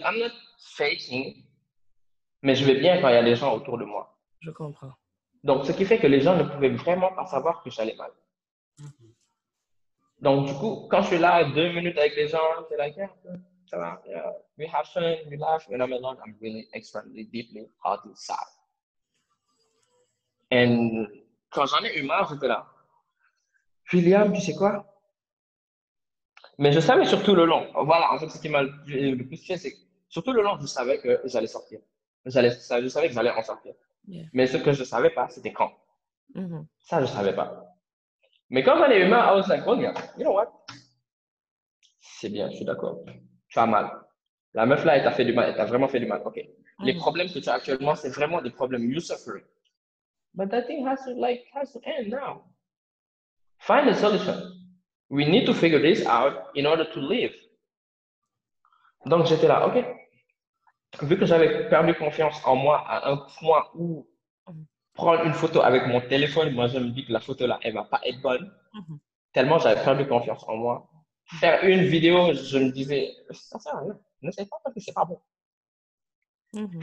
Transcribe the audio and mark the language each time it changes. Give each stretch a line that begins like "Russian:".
English: I'm not faking.
French: Mais je vais bien quand il y a des gens autour de moi. Je comprends. Donc, ce qui fait que les gens ne pouvaient vraiment pas savoir que j'allais mal. Mm-hmm. Donc, du coup, quand je suis là, 2 minutes avec les gens, c'est
English: like, yeah,
French: ça va,
English: yeah. We have fun, we laugh. When I'm alone, I'm really extremely deeply hard and sad. And
French: quand j'en ai eu marre, j'étais là. William, tu sais quoi? Mais je savais surtout le long. Voilà, en fait, ce qui m'a le plus fait, c'est que surtout le long, je savais que j'allais sortir. Je savais que j'allais en sortir.
English: Yeah.
French: Mais ce que je ne savais pas, c'était quand. Mm-hmm. Ça, je ne savais pas. Mais quand j'en ai eu marre,
English: I was like, oh, yeah, you know what?
French: C'est bien, je suis d'accord. Tu as mal. La meuf là, elle t'a fait du mal. Elle t'a vraiment fait du mal. OK. Mm-hmm. Les problèmes que tu as actuellement, c'est vraiment des problèmes.
English: You suffering. But that thing has to end now. Find a solution. We need to figure this out in order to live.
French: Donc, j'étais là, OK. Vu que j'avais perdu confiance en moi à un point où prendre une photo avec mon téléphone, moi, je me dis que la photo-là, elle ne va pas être bonne. Mm-hmm. Tellement j'avais perdu confiance en moi. Faire une vidéo, je me disais, ça sert à rien. Ne sais pas parce que ce n'est pas bon. Mm-hmm.